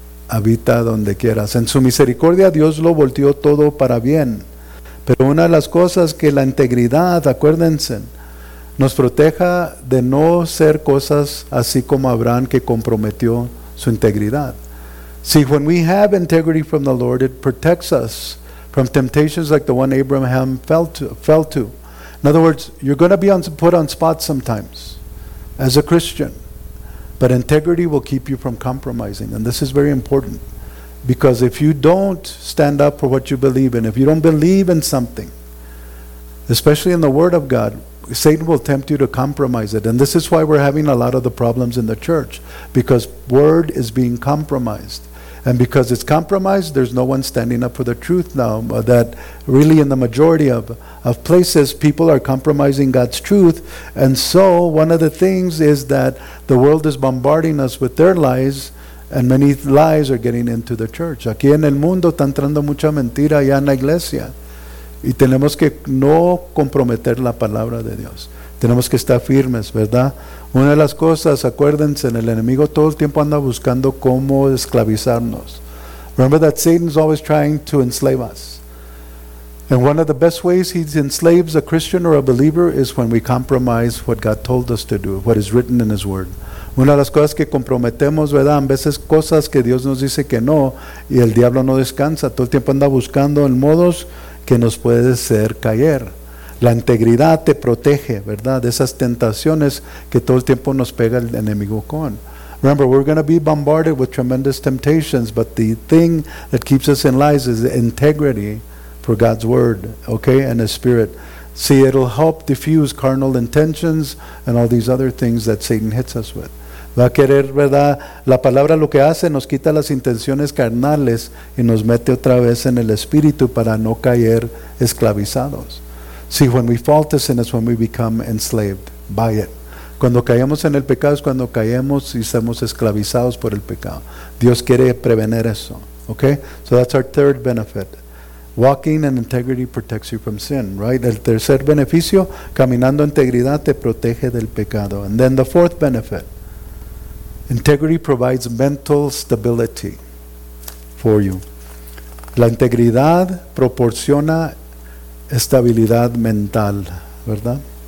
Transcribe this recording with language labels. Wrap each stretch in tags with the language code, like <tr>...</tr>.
<es>Habita donde quieras. En su misericordia Dios lo volteó todo para bien. Pero una de las cosas que la integridad, acuérdense, nos proteja de no ser cosas así como Abraham, que comprometió su integridad.</es> <en>See, when we have integrity from the Lord, it protects us from temptations like the one Abraham fell to. In other words, you're going to be put on spot sometimes as a Christian. But integrity will keep you from compromising. And this is very important. Because if you don't stand up for what you believe in, if you don't believe in something, especially in the Word of God, Satan will tempt you to compromise it. And this is why we're having a lot of the problems in the church. Because Word is being compromised. And because it's compromised, there's no one standing up for the truth now. That really in the majority of places, people are compromising God's truth. And so one of the things is that the world is bombarding us with their lies, and many lies are getting into the church.</en> <es>Aquí en el mundo está entrando mucha mentira ya en la iglesia. Y tenemos que no comprometer la palabra de Dios. Tenemos que estar firmes, ¿verdad? Una de las cosas, acuérdense, el enemigo todo el tiempo anda buscando cómo esclavizarnos.</es> <en>Remember that Satan is always trying to enslave us. And one of the best ways he enslaves a Christian or a believer is when we compromise what God told us to do, what is written in his word.</en> <es>Una de las cosas que comprometemos, ¿verdad? A veces cosas que Dios nos dice que no, y el diablo no descansa, todo el tiempo anda buscando en modos que nos puede hacer caer. La integridad te protege, ¿verdad? De esas tentaciones que todo el tiempo nos pega el enemigo con.</es> <en>Remember, we're going to be bombarded with tremendous temptations, but the thing that keeps us in lies is the integrity for God's word, okay, and His spirit. See, it'll help diffuse carnal intentions and all these other things that Satan hits us with.</en> <es>Va a querer, ¿verdad? La palabra lo que hace, nos quita las intenciones carnales y nos mete otra vez en el espíritu para no caer esclavizados.</es> <en>See, when we fall to sin is when we become enslaved by it.</en> <es>Cuando caemos en el pecado es cuando caemos y somos esclavizados por el pecado. Dios quiere prevenir eso.</es> <en>Okay? So that's our third benefit. Walking in integrity protects you from sin, right?</en> <es>El tercer beneficio, caminando en integridad te protege del pecado.</es> <en>And then the fourth benefit. Integrity provides mental stability for you.</en> <es>La integridad proporciona estabilidad mental, ¿verdad?</es>